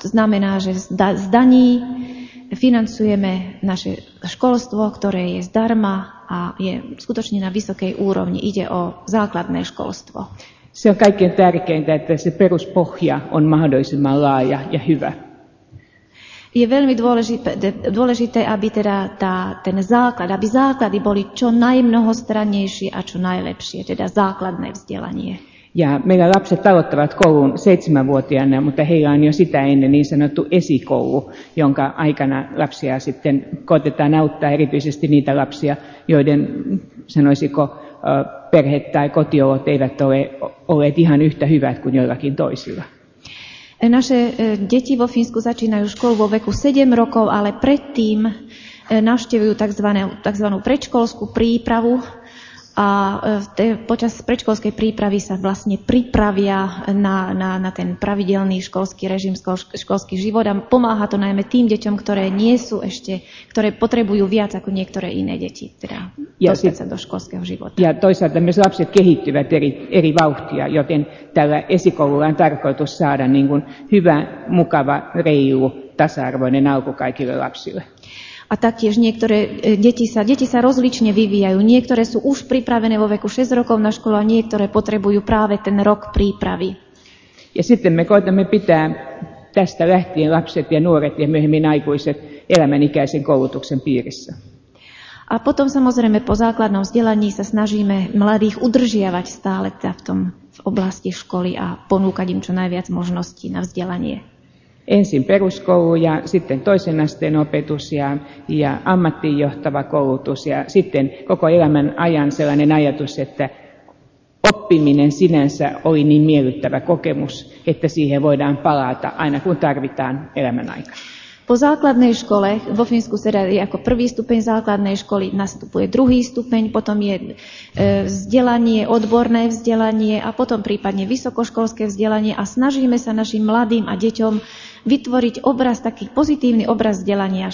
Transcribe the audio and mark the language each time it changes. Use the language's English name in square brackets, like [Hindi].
[Slovak] To znamená, že z daní financujeme naše školstvo, ktoré je zdarma a je skutočne na vysokej úrovni. Ide o základné školstvo. [Finnish] Se on kaikkein tärkeintä, että se peruspohja on mahdollisimman laaja ja hyvä. [Slovak] Je veľmi dôležité, aby teda aby základy boli čo najmnohostrannejšie a čo najlepšie, teda základné vzdelanie. [Finnish] Ja meillä lapset aloittavat koulun 7-vuotiaana, mutta heillä on jo sitä ennen niin sanottu esikoulu, jonka aikana lapsia sitten koetetaan auttaa, erityisesti niitä lapsia, joiden, sanoisiko, perhe- tai kotiolot eivät ole olleet ihan yhtä hyvät kuin joillakin toisilla. [Slovak] Naše deti vo Fínsku začínajú školu vo veku 7 rokov, ale predtým navštevujú takzvanú predškolskú prípravu, a počas predškolskej prípravy sa vlastne pripravia na ten pravidelný školský režim, školský život, a pomáha to najmä tým deťom, ktoré nie sú ešte, ktoré potrebujú viac ako niektoré iné deti, teda dostať sa do školského života. [Finnish] Ja toisaalta myös lapset kehittyvät eri vauhtia, joten tällä esikoululla on tarkoitus saada niin kuin hyvä, mukava, reilu, tasa-arvoinen alku kaikille lapsille. [Slovak] A taktiež niektoré deti sa rozlične vyvíjajú. Niektoré sú už pripravené vo veku 6 rokov na školu a niektoré potrebujú práve ten rok prípravy. [Finnish] Ja sitten me koetamme pitää tästä lähtien lapset ja nuoret ja myöhemmin aikuiset elämänikäisen koulutuksen piirissä. [Slovak] A potom samozrejme po základnom vzdelaní sa snažíme mladých udržiavať stále v oblasti školy a ponúkať im čo najviac možností na vzdelanie. [Finnish] Ensin peruskoulu ja sitten toisen asteen opetus ja ammattiin johtava koulutus ja sitten koko elämän ajan sellainen ajatus, että oppiminen sinänsä oli niin miellyttävä kokemus, että siihen voidaan palata aina kun tarvitaan elämän aikana. [Slovak] Po základnej škole, vo Fínsku sa dá ako prvý stupeň základnej školy, nastupuje druhý stupeň, potom je vzdelanie, odborné vzdelanie a potom prípadne vysokoškolské vzdelanie a snažíme sa našim mladým a deťom vytvoriť obraz, taký pozitívny obraz vzdelania.